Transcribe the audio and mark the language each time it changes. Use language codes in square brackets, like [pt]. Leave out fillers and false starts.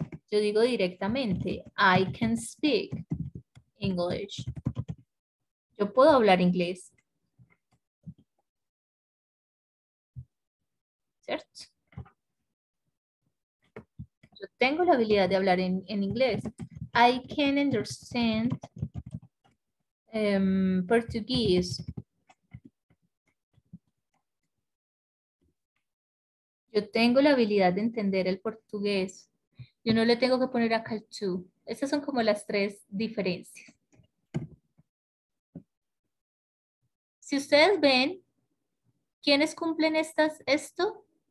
[es] Yo digo directamente, [en] I can speak English. [es] Yo puedo hablar inglés. ¿Cierto? Yo tengo la habilidad de hablar en inglés. [en] I can understand Portuguese. [es] Yo tengo la habilidad de entender el portugués. Yo no le tengo que poner acá el to. Esas son como las tres diferencias. Si ustedes ven, ¿quiénes cumplen esto?